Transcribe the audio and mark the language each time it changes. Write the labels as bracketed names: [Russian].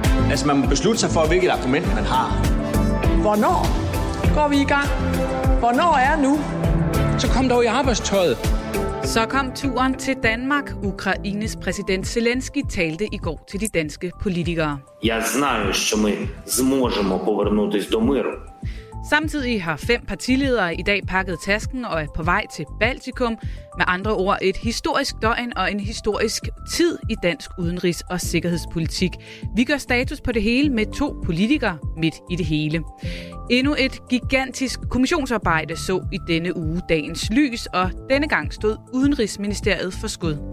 [Danish] Altså, man må beslutte sig for, hvilket argument man har. Hvornår går vi i gang? Hvornår er nu? Så kom dog i arbejdstøjet. Så kom turen til Danmark. Ukraines præsident Zelensky talte i går til de danske politikere. Jeg [Ukrainian] знаю, що ми зможемо повернутись до миру. [Danish] Samtidig har 5 partiledere i dag pakket tasken og er på vej til Baltikum. Med andre ord et historisk døgn og en historisk tid i dansk udenrigs- og sikkerhedspolitik. Vi gør status på det hele med 2 politikere midt i det hele. Endnu et gigantisk kommissionsarbejde så i denne uge dagens lys, og denne gang stod Udenrigsministeriet for skud.